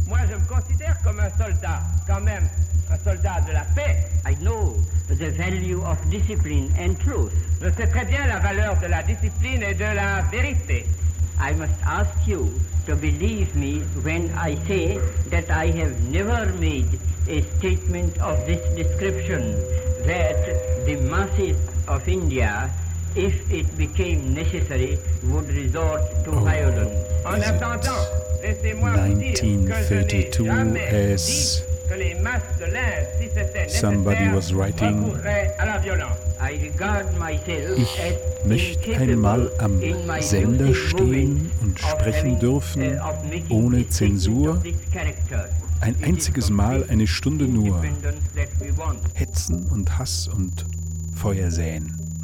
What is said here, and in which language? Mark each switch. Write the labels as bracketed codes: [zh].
[fr] Moi, je me considère comme un soldat, quand même, un soldat de la paix. [en] I know the value of discipline and truth. [fr] Je sais très bien la valeur de la discipline et de la vérité. [en] I must ask you to believe me when I say that I have never made a statement of this description, that the masses of India, if it became necessary, would resort to violence. [fr] En attendant, laissez-moi vous dire que je n'ai jamais dit que les masses de l'Inde, si c'était nécessaire, [en] somebody was writing, [fr] recourraient à la violence. [en] I regard myself [de] ich möchte einmal am Sender stehen und sprechen dürfen, ohne Zensur, ein einziges Mal, eine Stunde nur, hetzen und Hass und Feuer säen.